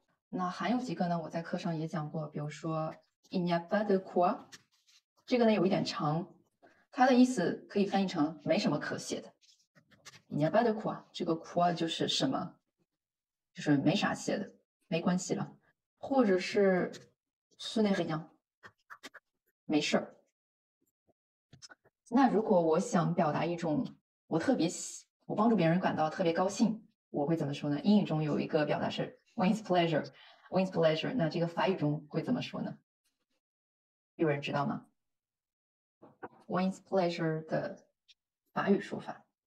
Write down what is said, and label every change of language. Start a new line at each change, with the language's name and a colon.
Chinese: 那还有几个呢，我在课上也讲过，比如说
French: il n'y a pas de quoi，
Chinese: 这个呢有一点长，它的意思可以翻译成没什么可写的。
French: il n'y a pas de quoi，
Chinese: 这个 quoi 就是什么，就是没啥写的，没关系了。或者是
French: ce n'est rien，
Chinese: 没事。那如果我想表达一种我帮助别人感到特别高兴，我会怎么说呢？英语中有一个表达是 "one's pleasure"， "one's pleasure"。那这个法语中会怎么说呢？有人知道吗 ？"one's pleasure" 的法语说法